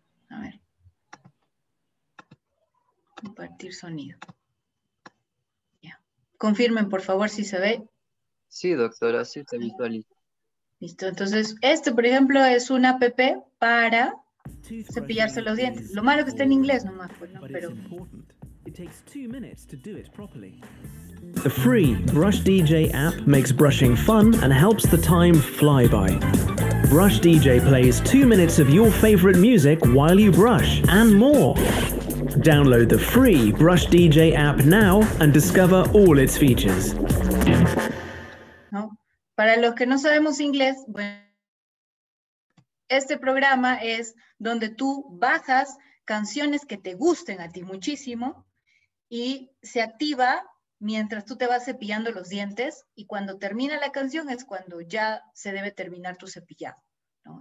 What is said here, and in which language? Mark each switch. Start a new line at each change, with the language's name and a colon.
Spanish: A ver. Compartir sonido. Confirmen, por favor, si se ve. Sí, doctora, sí se visualiza. Listo, entonces, este, por ejemplo, es una app para cepillarse los dientes. Lo malo que está en inglés nomás, pues, ¿no? Pero...
English: It takes 2 minutes to do it properly. The free Brush DJ app makes brushing fun and helps the time fly by. Brush DJ plays 2 minutes of your favorite music while you brush and more. Download the free Brush DJ app now and discover all its features.
Spanish: No. Para los que no sabemos inglés, bueno, este programa es donde tú bajas canciones que te gusten a ti muchísimo. Y se activa mientras tú te vas cepillando los dientes y cuando termina la canción es cuando ya se debe terminar tu cepillado, ¿no?